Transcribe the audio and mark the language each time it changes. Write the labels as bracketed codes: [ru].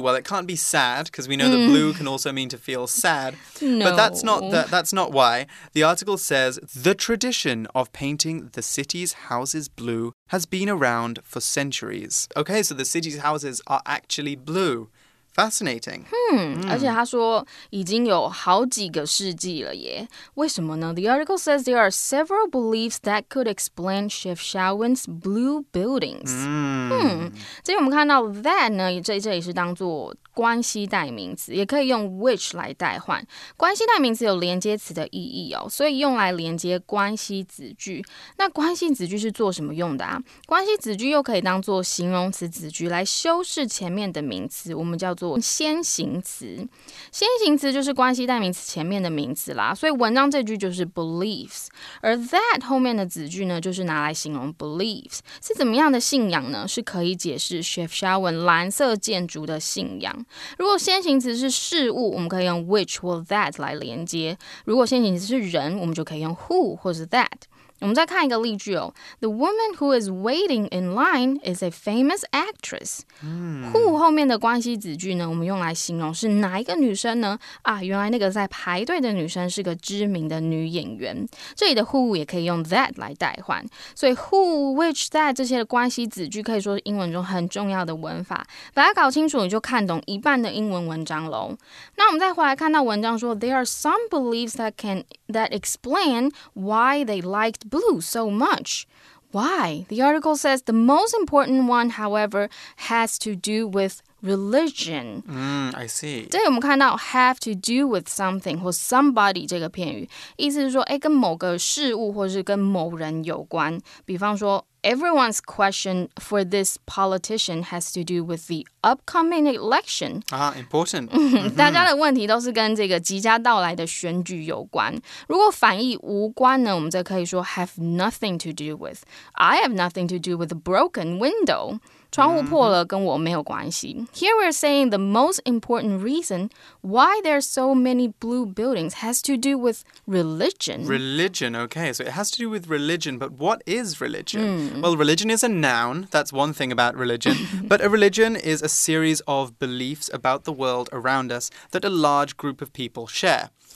[en] Well, it can't be sad because we know、mm-hmm. that blue can also mean to feel sad No. But that's not why The article says The tradition of painting the city's houses blueHas been around for centuries. Okay, so the city's houses are actually blue. Fascinating. Hmm. [zh] 而且他说已经有好几个世纪了耶。为什么呢? [en] The article says there are several beliefs that could explain Chefchaouen's blue buildings. Hmm. [zh] 所以我们看到 that 呢，这也是当做关系代名词，也可以用 which 来代换。关系代名词有连接词的意义哦，所以用来连接关系子句。那关系子句是做什么用的啊？关系子句又可以当做形容词子句来修饰前面的名词，我们叫做先行词。先行词就是关系代名词前面的名词啦。所以文章这句就是 beliefs， 而 that 后面的子句呢，就是拿来形容 beliefs 是怎么样的信仰呢？是可以解释 Chefchaouen 蓝色建筑的信仰。如果先行词是事物，我们可以用 which 或 that 来连接。如果先行词是人，我们就可以用 who 或是 that。我们再看一个例句哦。 [en] The woman who is waiting in line is a famous actress.、 Mm. [zh] Who 后面的关系子句呢，我们用来形容是哪一个女生呢？啊，原来那个在排队的女生是个知名的女演员。这里的 who 也可以用 that 来代换。所以 who, which, that 这些的关系子句可以说是英文中很重要的文法。把它搞清楚，你就看懂一半的英文文章咯。 [en] 那我们再回来看到文章说 There are some beliefs that explain why they likeblue so much. Why? The article says the most important one, however, has to do with religion. I see. [zh] 对，我们看到 [en] have to do with something [zh] 或 somebody 这个片语，意思是说，哎，跟某个事物或是跟某人有关。比方说 [en] Everyone's question for this politician has to do with the upcoming election. Ah, important. [zh] 大家的问题都是跟这个即将到来的选举有关。如果反义无关呢，我们就可以说 [en] have nothing to do with. I have nothing to do with a broken window. [zh] 窗户破了跟我没有关系。 [en] Here we're saying the most important reason why there are so many blue buildings has to do with religion. Religion, okay. So it has to do with religion, but what is religion?、 Well, religion is a noun. That's one thing about religion. But a religion is a series of beliefs about the world around us that a large group of people share.